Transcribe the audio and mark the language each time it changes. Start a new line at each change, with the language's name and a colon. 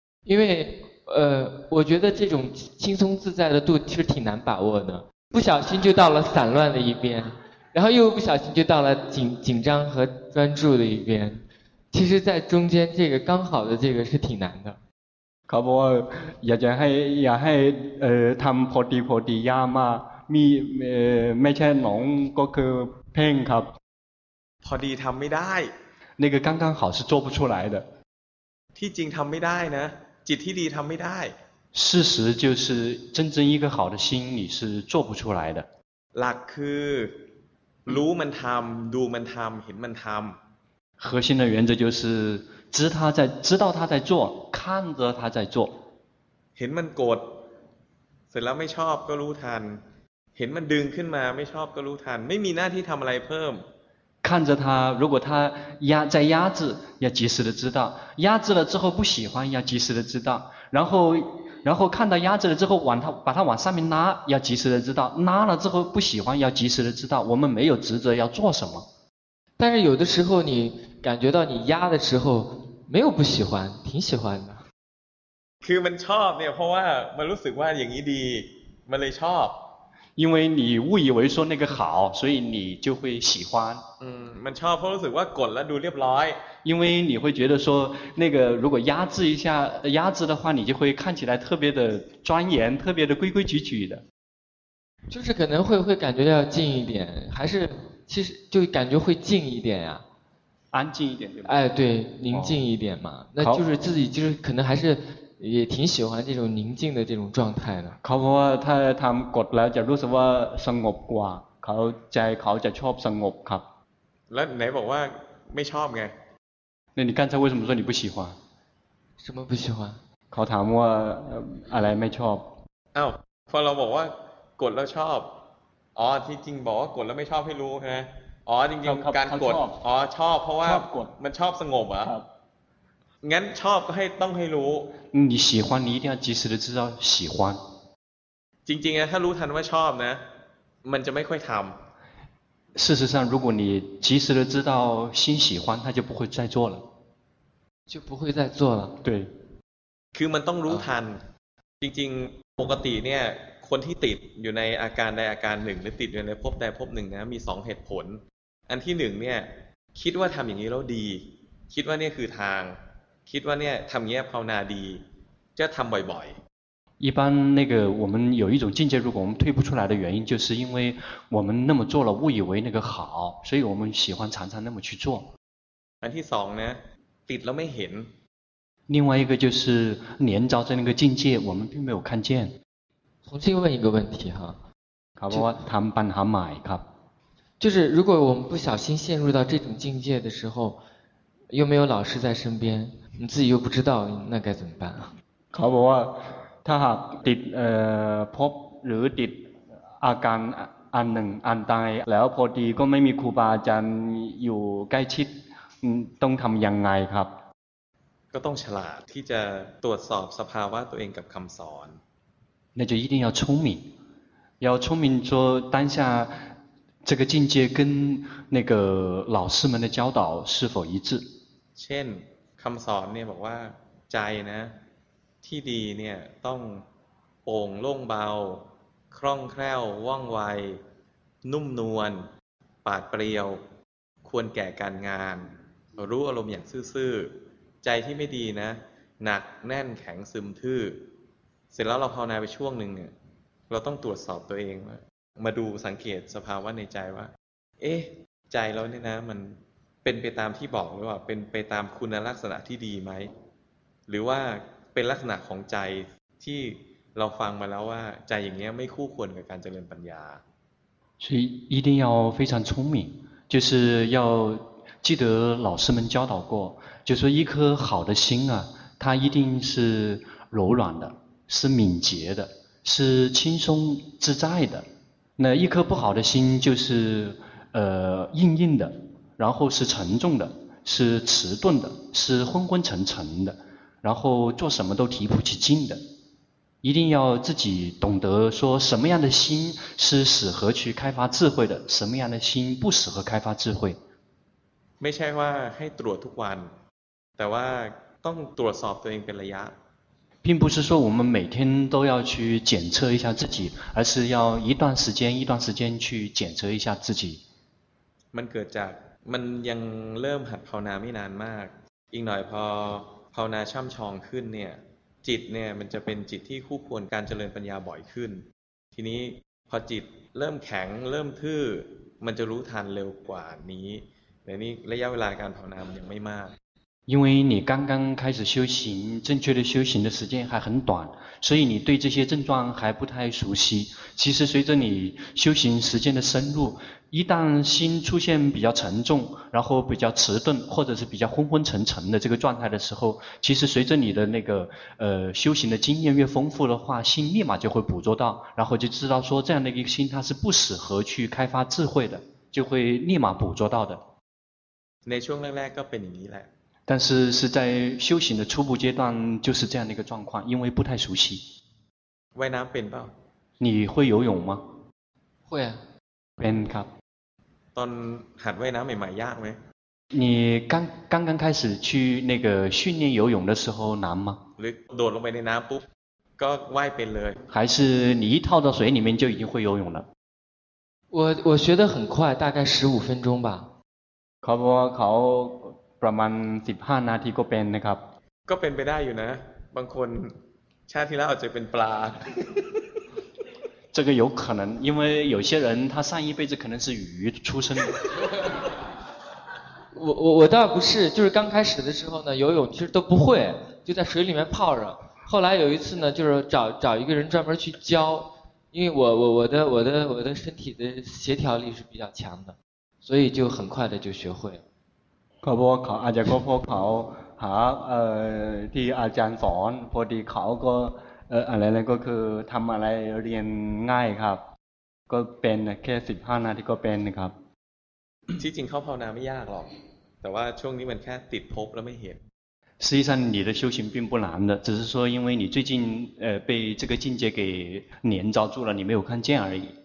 Chinese: 因为我觉得这种轻松自在的度其实挺难把握的不小心就到了散乱的一边然后又不小心就到了紧张和专注的一边其实在中间这个刚好的这个是挺难的
Thai: เขาบอกว่าอยากจะให้ทำพอดียามามีไม่ใช่หนองก็คือเพ่งครับ พอดีทำไม่ได้
Chinese: 那个刚刚好是做不出来的
Thai: ที่จริงทำไม่ได้นะจิตที่ดีทำไม่ได้
Chinese: 事实就是真正一个好的心你是做不出来的
Thai: หลักคือรู้มันทำดูมันทำเห็นมันทำ
Chinese: 核心的原则就是知道他在做看着他在做
Thai: เห็นมันโกรธเสร็จแล้วไม่ชอบก็รู้ทันเห็นมันดึงขึ้นมาไม่ชอบก็รู้ทันไม่มีหน้าที่ทำอะไรเพิ่ม
Chinese: 看着他如果他压在压制要及时的知道压制了之后不喜欢要及时的知道然后看到压制了之后把他往上面拉要及时的知道拉了之后不喜欢要及时的知道我们没有职责要做什么但是有的时候你感觉到你压的时候没有不喜欢挺喜欢的
Thai: คือมันชอบเนี่ยเพราะว่ามันรู้สึกว่าอย่างนี้ดีมันเลยชอบ
Chinese: 因为你误以为说那个好所以你就会喜欢
Thai: มันชอบเพราะรู้สึกว่ากดแล้วดูเรียบร้อย
Chinese: 因为你会觉得说那个如果压制一下压制的话你就会看起来特别的庄严特别的规规矩矩的就是可能会感觉要静一点还是其实就感觉会静一点呀、安静一点对吧哎对宁静一点嘛、那就是自己就是可能还是也挺喜欢这种宁静的这种状态的。
Thai: เขาบอกว่าถ้าทำกดแล้วจะรู้สึกว่าสงบกว่าเขาใจเขาจะชอบสงบครับ。 แล้วไหนบอกว่าไม่ชอบไง？
Chinese: 那你刚才为什么说你不喜欢？什么不喜欢？
Thai: เขาถามว่าอะไรไม่ชอบ？ อ้าว พอเราบอกว่ากดแล้วชอบ อ๋อที่จริงบอกว่ากดแล้วไม่ชอบให้รู้ใช่ไหม？อ๋อจริงจริงการกดอ๋อชอบเพราะว่ามันชอบสงบอ่ะงั้นชอบก็ให้ต้องให้รู้
Chinese: 你喜欢你一定要及时的知道喜欢
Thai: จริงๆนะถ้ารู้ทันว่าชอบนะมันจะไม่ค่อยทำ
Chinese: 事实上如果你及时的知道心喜欢他就不会再做了就不会再做了对
Thai: คือมันต้องรู้ทันจริงๆปกติเนี่ยคนที่ติดอยู่ในอาการใดอาการหนึ่งหรือติดอยู่ในภพใดภพหนึ่งนะมีสองเหตุผลอันที่หนึ่งเนี่ยคิดว่าทำอย่างนี้แล้วดีคิดว่านี่คือทางคิดว่าเนี่ยทำเงี้ยภาวนาดีจะทำบ่อย
Chinese: ๆ一般那个我们有一种境界如果我们退不出来的原因就是因为我们那么做了误以为那个好所以我们喜欢常常那么去做
Thai: อันที่สองนะติดแล้วไม่เห็น
Chinese: 另外一个就是连着在那个境界我们并没有看见
Thai: ผมจะ
Chinese: 问一个问题哈
Thai: ครับว่าทำปัญหาใหม่ครับ
Chinese: 就是如果我们不小心陷入到这种境界的时候又没有老师在身边你自己又不知道那该怎么办啊
Thai: ครับว่าถ้าหากติดพบหรือติดอาการอันหนึ่งอันใดแล้วพอดีก็ไม่มีครูบาอาจารย์อยู่ใกล้ชิดต้องทำยังไงครับ ก็ต้องฉลาดที่จะตรวจสอบสภาวะตัวเองกับคำสอน
Chinese: 那就一定要聪明要聪明说当下这个境界跟那个老师们的教导是否一致
Thai: เช่นคำสอนเนี่ยบอกว่าใจนะที่ดีเนี่ยต้องโป่งโล่งเบาคล่องแคล่วว่องไวนุ่มนวลปราดเปรียวควรแก่การงานรู้อารมณ์อย่างซื่อๆใจที่ไม่ดีนะหนักแน่นแข็งซึมทื่อเสร็จแล้วเราภาวนาไปช่วงหนึ่งเนี่ยเราต้องตรวจสอบตัวเองว่า มาดูสังเกตสภาวะในใจว่าเอ๊ะใจเราเนี่ยนะมันเป็นไปตามที่บอกหรือว่าเป็นไปตามคุณลักษณะที่ดีไหมหรือว่าเป็นลักษณะของใจที่เราฟังมาแล้วว่าใจอย่างเงี้ยไม่คู่ควรกับการเจริญปัญญา
Chinese: 所以一定要非常聪明就是要记得老师们教导过就说一颗好的心啊它一定是柔软的是敏捷的是轻松自在的那一颗不好的心就是硬硬的然后是沉重的是迟钝的是昏昏沉沉的然后做什么都提不起劲的一定要自己懂得说什么样的心是适合去开发智慧的什么样的心不适合开发智慧
Thai: ไม่ใช่ว่าให้ตรวจทุกวันแต่ว่าต้องตรวจสอบตัวเองเป็นระยะ
Chinese: 并不是说我们每天都要去检测一下自己而是要一段时间一段时间去检测一下自己
Thai: มันเกิดจากมันยังเริ่มหัดภาวนาไม่นานมากอีกหน่อยพอภาวนาช่ำชองขึ้นเนี่ยจิตเนี่ยมันจะเป็นจิตที่คู่ควรการเจริญปัญญาบ่อยขึ้นทีนี้พอจิตเริ่มแข็งเริ่มทื่อมันจะรู้ทันเร็วกว่านี้ในนี้ระยะเวลาการภาวนายังไม่มาก
Chinese: 因为你刚刚开始修行正确的修行的时间还很短所以你对这些症状还不太熟悉其实随着你修行时间的深入一旦心出现比较沉重然后比较迟钝或者是比较昏昏沉沉的这个状态的时候其实随着你的那个修行的经验越丰富的话心立马就会捕捉到然后就知道说这样的一个心它是不适合去开发智慧的就会立马捕捉到的
Thai: ในช่วงแรกๆก็เป็นอย่างนี้แหละ
Chinese: 但是是在修行的初步阶段就是这样的一个状况因为不太熟悉
Thai: ว่ายน้ำเป็นป่ะ
Chinese: 你会游泳吗会啊
Thai: เป็นครับ ตอนหัดว่ายน้ำใหม่ๆยากไหม
Chinese: 你刚刚开始去那个训练游泳的时候难吗
Thai: หรือโดดลงไปในน้ำปุ๊บก็ว่ายเป็นเลย
Chinese: 还是你一跳到水里面就已经会游泳了我学得很快大概15分钟吧考不考
Thai: ประมาณ15นาทีก็เป็นนะครับ ก็เป็นไปได้อยู่นะบางคนชาติที่แล้วอาจจะเป็นปลา
Chinese: 这个有可能因为有些人他上一辈子可能是鱼出身我倒不是就是刚开始的时候呢游泳其实都不会就在水里面泡着后来有一次呢就是找一个人专门去教因为我的身体的协调力是比较强的所以就很快的就学会了
Thai: เขาบอกเขาอาจจะก็เพราะเขาหาที่อาจารย์สอนพอดีเขาก็อะไรก็คือทำอะไรเรียนง่ายครับก็เป็นแค่15นาทีก็เป็นนะครับ ที่จริงเขาภาวนาไม่ยากหรอกแต่ว่าช่วงนี้มันแค่ติดภพแล้วไม่เห็น
Chinese: 实际上你的修行并不难的只是说因为你最近被这个境界给黏着住了你没有看见而已